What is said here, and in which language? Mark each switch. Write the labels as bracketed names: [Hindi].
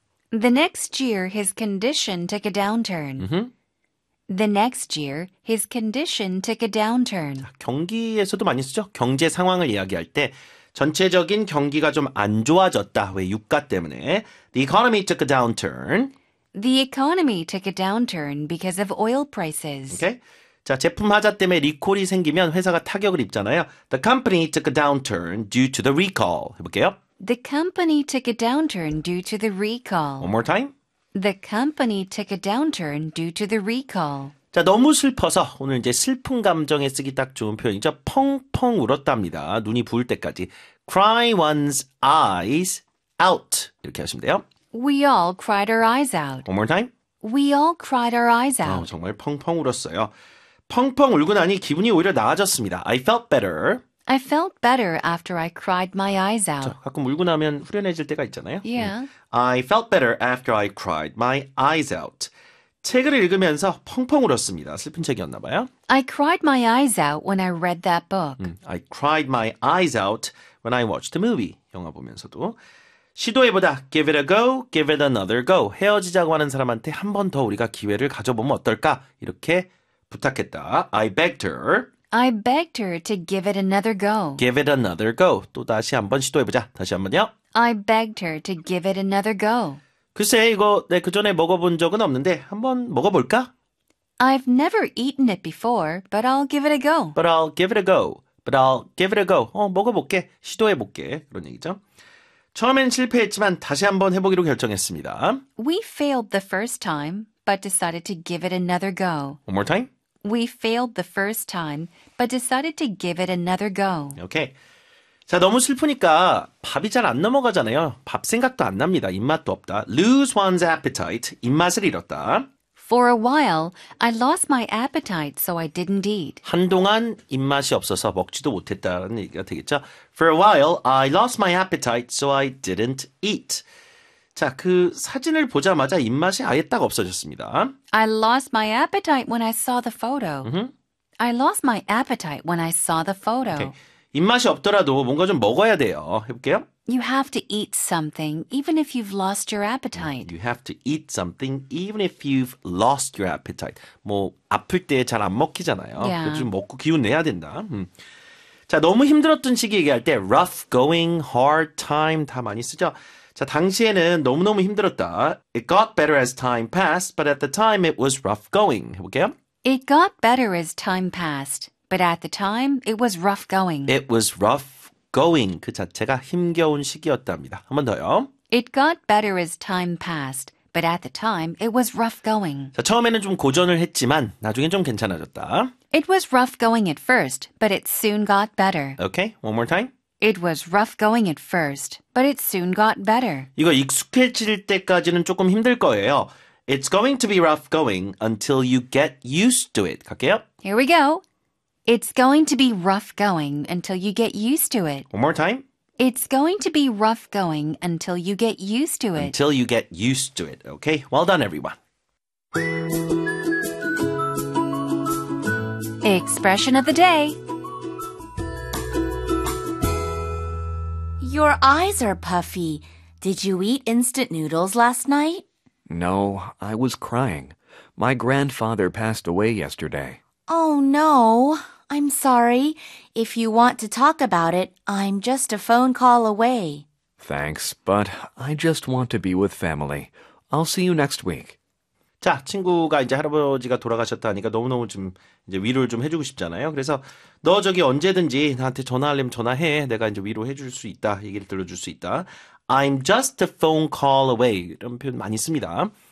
[English] The next year his condition took a downturn. The next year his condition took a downturn. [Korean] 자, 경기에서도 많이 쓰죠. 경제 상황을 이야기할 때 전체적인 경기가 좀 안 좋아졌다. 왜 유가 때문에. [English] The economy took a downturn. The economy took a downturn because of oil prices. Okay. [Korean] 자, 제품 하자 때문에 리콜이 생기면 회사가 타격을 입잖아요. [English] The company took a downturn due to the recall. [Korean] 해볼게요. [English] The company took a downturn due to the recall. One more time. The company took a downturn due to the recall. [Korean] 자, 너무 슬퍼서 오늘 이제 슬픈 감정에 쓰기 딱 좋은 표현이죠. 펑펑 울었답니다. 눈이 부을 때까지. [English] Cry one's eyes out. [Korean] 이렇게 하시면 돼요. [English] We all cried our eyes out. One more time. We all cried our eyes out. [Korean] 아, 정말 펑펑 울었어요. 펑펑 울고 나니 기분이 오히려 나아졌습니다. [English] I felt better. I felt better after I cried my eyes out. [Korean] 자, 가끔 울고 나면 후련해질 때가 있잖아요. [English] Yeah. I felt better after I cried my eyes out. [Korean] 책을 읽으면서 펑펑 울었습니다. 슬픈 책이었나 봐요. [English] I cried my eyes out when I read that book. I cried my eyes out when I watched the movie. [Korean] 영화 보면서도. 시도해보다, [English] give it a go, give it another go. [Korean] 헤어지자고 하는 사람한테 한 번 더 우리가 기회를 가져보면 어떨까? 이렇게 부탁했다. [English] I begged her. I begged her to give it another go. Give it another go. [Korean] 또 다시 한번 시도해보자. 다시 한번요. [English] I begged her to give it another go. [Korean] 글쎄, 이거 내 그전에 먹어본 적은 없는데 한번 먹어볼까? [English] I've never eaten it before, but I'll give it a go. But I'll give it a go. But I'll give it a go. [Korean] 먹어볼게. 시도해볼게. 그런 얘기죠. 처음엔 실패했지만 다시 한번 해보기로 결정했습니다. [English] We failed the first time, but decided to give it another go. One more time? We failed the first time, but decided to give it another go. Okay. [Korean] 자, 너무 슬프니까 밥이 잘 안 넘어가잖아요. 밥 생각도 안 납니다. 입맛도 없다. [English] Lose one's appetite. [Korean] 입맛을 잃었다. [English] For a while, I lost my appetite, so I didn't eat. [Korean] 한동안 입맛이 없어서 먹지도 못했다는 얘기가 되겠죠. [English] For a while, I lost my appetite, so I didn't eat. [Korean] 자, 그 사진을 보자마자 입맛이 아예 딱 없어졌습니다. [English] I lost my appetite when I saw the photo. I lost my appetite when I saw the photo. Okay. [Korean] 입맛이 없더라도 뭔가 좀 먹어야 돼요. 해볼게요. [English] You have to eat something, even if you've lost your appetite. You have to eat something, even if you've lost your appetite. [Korean] 뭐, 아플 때 잘 안 먹히잖아요. [English] Yeah. [Korean] 그래도 좀 먹고 기운 내야 된다. 자, 너무 힘들었던 시기 얘기할 때 [English] rough going, hard time [Korean] 다 많이 쓰죠. 자, 당시에는 너무너무 힘들었다. [English] It got better as time passed, but at the time it was rough going. 해볼게요. It got better as time passed, but at the time it was rough going. It was rough going [Korean] 그 자체가 힘겨운 시기였답니다. 한 번 더요. [English] It got better as time passed, but at the time it was rough going. [Korean] 자, 처음에는 좀 고전을 했지만 나중엔 좀 괜찮아졌다. [English] It was rough going at first, but it soon got better. Okay, one more time. It was rough going at first, but it soon got better. [Korean] 이거 익숙해질 때까지는 조금 힘들 거예요. [English] It's going to be rough going until you get used to it. [Korean] 갈게요. [English] Here we go. It's going to be rough going until you get used to it. One more time. It's going to be rough going until you get used to it. Until you get used to it. Okay, well done, everyone. Expression of the day. Your eyes are puffy. Did you eat instant noodles last night? No, I was crying. My grandfather passed away yesterday. Oh, no. I'm sorry. If you want to talk about it, I'm just a phone call away. Thanks, but I just want to be with family. I'll see you next week. [Korean] 자, 친구가 이제 할아버지가 돌아가셨다 하니까 너무너무 좀 이제 위로를 좀 해주고 싶잖아요. 그래서 너 저기 언제든지 나한테 전화하려면 전화해. 내가 이제 위로해줄 수 있다. 얘기를 들어줄 수 있다. [English] I'm just a phone call away. [Korean] 이런 표현 많이 씁니다.